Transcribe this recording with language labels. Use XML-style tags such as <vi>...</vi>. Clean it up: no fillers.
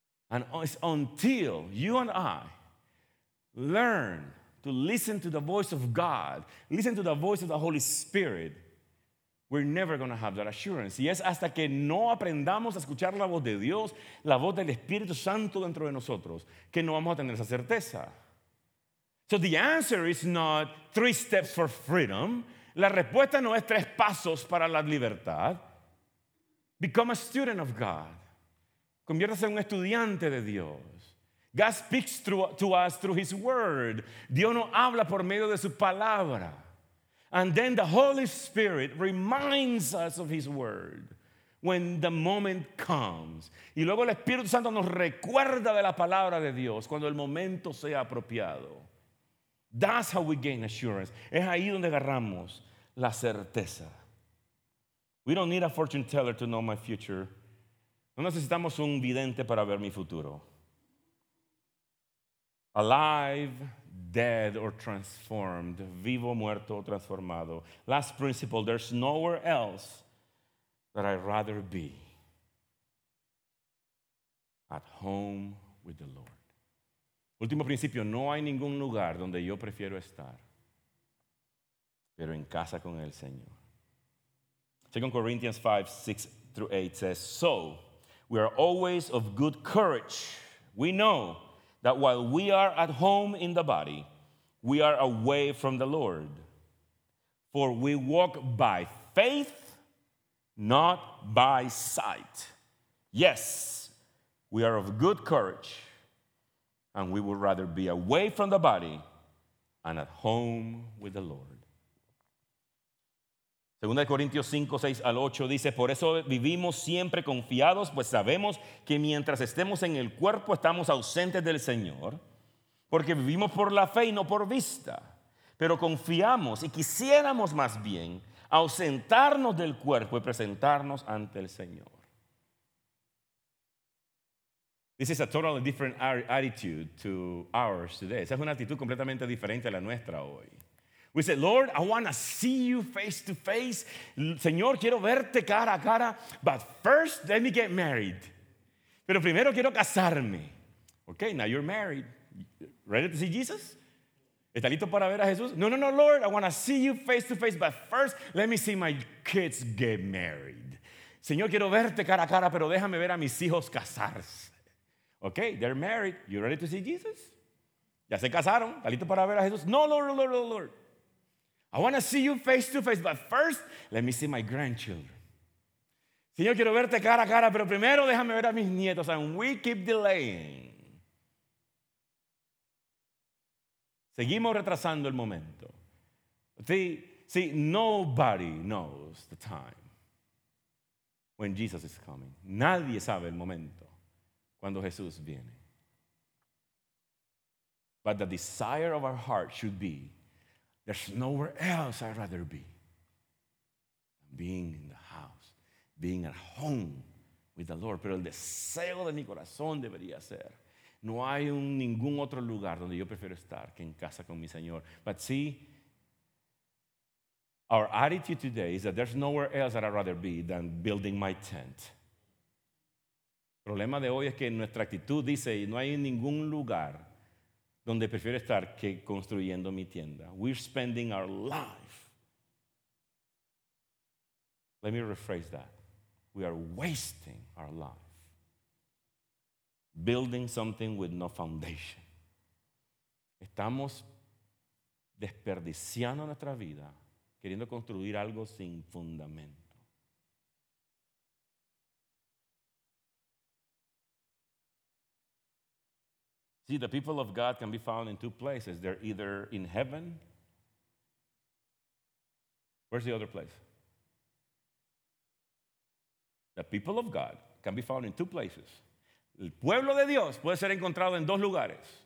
<en>And it's until you and I learn to listen to the voice of God, listen to the voice of the Holy Spirit, we're never going to have that assurance.</en> <es>Y es hasta que no aprendamos a escuchar la voz de Dios, la voz del Espíritu Santo dentro de nosotros, que no vamos a tener esa certeza.</es> <en>So the answer is not 3 steps for freedom.</en> <es>La respuesta no es 3 pasos para la libertad.</es> <en>Become a student of God.</en> <es>Conviértase en un estudiante de Dios.</es> <en>God speaks to us through his word.</en> <es>Dios nos habla por medio de su palabra.</es> <en>And then the Holy Spirit reminds us of his word when the moment comes.</en> <es>Y luego el Espíritu Santo nos recuerda de la palabra de Dios cuando el momento sea apropiado.</es> <en>That's how we gain assurance.</en> <es>Es ahí donde agarramos la certeza.</es> <en>We don't need a fortune teller to know my future.</en> <es>No necesitamos un vidente para ver mi futuro.</es> <en>Alive, dead, or transformed.</en> <es>Vivo, muerto, transformado.</es> <en>Last principle, there's nowhere else that I'd rather be. At home with the Lord.</en> <es>Último principio, no hay ningún lugar donde yo prefiero estar, pero en casa con el Señor.</es> <en>2 Corinthians 5, 6 through 8 says, so we are always of good courage. We know that while we are at home in the body, we are away from the Lord. For we walk by faith, not by sight. Yes, we are of good courage. And we would rather be away from the body and at home with the Lord.</en> <es>2 Corintios 5, 6 al 8 dice, por eso vivimos siempre confiados, pues sabemos que mientras estemos en el cuerpo estamos ausentes del Señor, porque vivimos por la fe y no por vista. Pero confiamos y quisiéramos más bien ausentarnos del cuerpo y presentarnos ante el Señor.</es> <en>This is a totally different attitude to ours today.</en> <es>Esa es una actitud completamente diferente a la nuestra hoy.</es> <en>We say, Lord, I want to see you face to face.</en> <es>Señor, quiero verte cara a cara.</es> <en>But first, let me get married.</en> <es>Pero primero quiero casarme.</es> <en>Okay, now you're married. Ready to see Jesus?</en> <es>¿Está listo para ver a Jesús?</es> <en>No, no, no, Lord, I want to see you face to face. But first, let me see my kids get married.</en> <es>Señor, quiero verte cara a cara, pero déjame ver a mis hijos casarse.</es> <en>Okay, they're married. You ready to see Jesus?</en> <es>¿Ya se casaron? ¿Está listo para ver a Jesús?</es> <en>No, Lord, Lord, Lord, Lord. I want to see you face to face, but first, let me see my grandchildren.</en> <es>Señor, quiero verte cara a cara, pero primero déjame ver a mis nietos.</es> <en>And we keep delaying.</en> <es>Seguimos retrasando el momento.</es> <en>See, nobody knows the time when Jesus is coming.</en> <es>Nadie sabe el momento. Cuando Jesús viene.</es> <en>But the desire of our heart should be, there's nowhere else I'd rather be than being in the house, being at home with the Lord.</en> <es>Pero el deseo de mi corazón debería ser, no hay ningún otro lugar donde yo prefiero estar que en casa con mi Señor.</es> <en>But see, our attitude today is that there's nowhere else that I'd rather be than building my tent.</en> <es>El problema de hoy es que nuestra actitud dice, no hay ningún lugar donde prefiero estar que construyendo mi tienda.</es> <en>We're spending our life. Let me rephrase that. We are wasting our life building something with no foundation.</en> <es>Estamos desperdiciando nuestra vida queriendo construir algo sin fundamento.</es> <en>See, the people of God can be found in two places. They're either in heaven. Where's the other place? The people of God can be found in two places.</en> <es>El pueblo de Dios puede ser encontrado en dos lugares.</es>